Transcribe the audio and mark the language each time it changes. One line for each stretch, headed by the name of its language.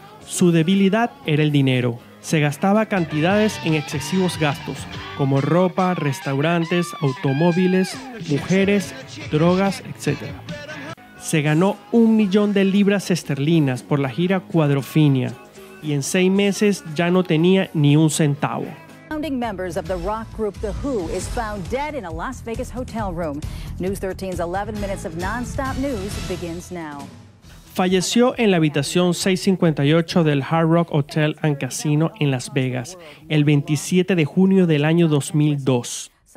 Spanish: Su debilidad era el dinero. Se gastaba cantidades en excesivos gastos, como ropa, restaurantes, automóviles, mujeres, drogas, etc. Se ganó 1,000,000 libras esterlinas por la gira Quadrophenia y en 6 meses ya no tenía ni un centavo.
English: Founding members of the rock group The Who is found dead in a Las Vegas hotel room. News 13's 11 minutes of non-stop news begins now.
Spanish: Falleció en la habitación 658 del Hard Rock Hotel and Casino en Las Vegas, el 27 de junio del año 2002.